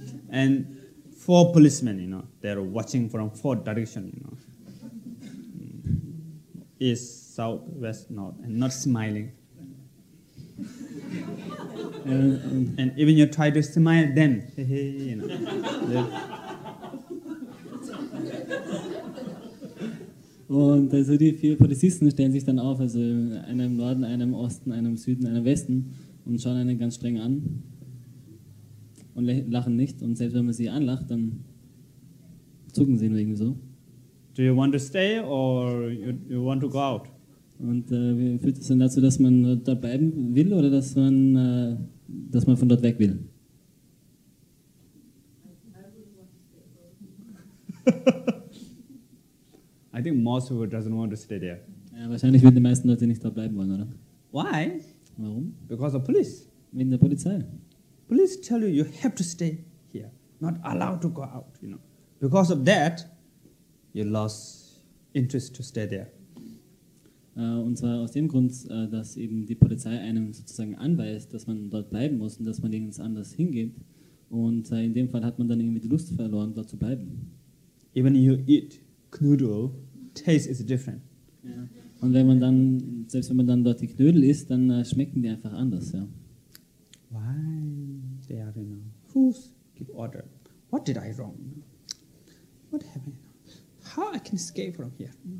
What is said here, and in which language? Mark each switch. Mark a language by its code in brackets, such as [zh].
[en] And four policemen, you know, they're watching from four directions, you know. East, south, west, north, and not smiling. And even you try to smile, then, hey, you know. [de] Und also die vier Polizisten stellen sich dann auf, also einer im Norden, einer im Osten, einer im Süden, einer im Westen, und schauen einen ganz streng an. Und lachen nicht. Und selbst wenn man sie anlacht, dann zucken sie nur irgendwie so. [en] Do you want to stay or you want to go out? [de] Und führt das dann dazu, dass man dort bleiben will oder dass man von dort weg will? [en] I think most people doesn't want to stay there. [de] Ja, wahrscheinlich würden die meisten Leute nicht dort bleiben wollen, oder? [en] Why? [de] Warum? [en] Because of police. [de] Wegen der Polizei. [en] Police tell you have to stay here, not allowed to go out, you know. Because of that, you lost interest to stay there. [de] Und zwar aus dem Grund, dass eben die Polizei einem sozusagen anweist, dass man dort bleiben muss und dass man nirgends anders hingeht. Und in dem Fall hat man dann irgendwie die Lust verloren, dort zu bleiben. [en] Even if you eat Knödel, taste is different. [de] Ja. Und wenn man dann, selbst wenn man dann dort die Knödel isst, dann schmecken die einfach anders, ja. [en] Why? They are in a house. Give order. What did I wrong? What happened? How I can escape from here?